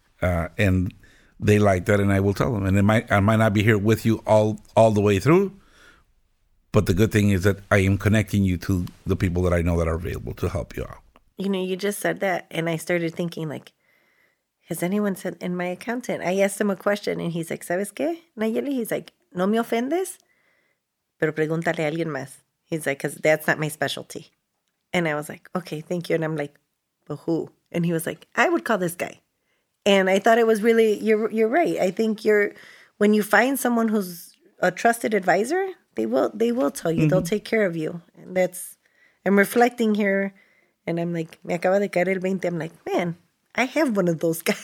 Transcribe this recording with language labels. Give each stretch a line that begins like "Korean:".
English: And they like that, and I will tell them. And I might not be here with you all the way through, but the good thing is that I am connecting you to the people that I know that are available to help you out. You know, you just said that, and I started thinking, like, has anyone said, and my accountant, I asked him a question, and he's like,
Spanish: ¿sabes qué, Nayeli?
English: He's like,
Spanish: no me ofendes, pero pregúntale a alguien más.
English: He's like, because that's not my specialty. And I was like, okay, thank you. And I'm like, but who? And he was like, I would call this guy. And I thought it was really, you're right. I think when you find someone who's a trusted advisor, they will tell you. Mm-hmm. They'll take care of you. And that's, I'm reflecting here, and I'm like,
Spanish: me acaba de caer el 20.
English: I'm like, man, I have one of those guys.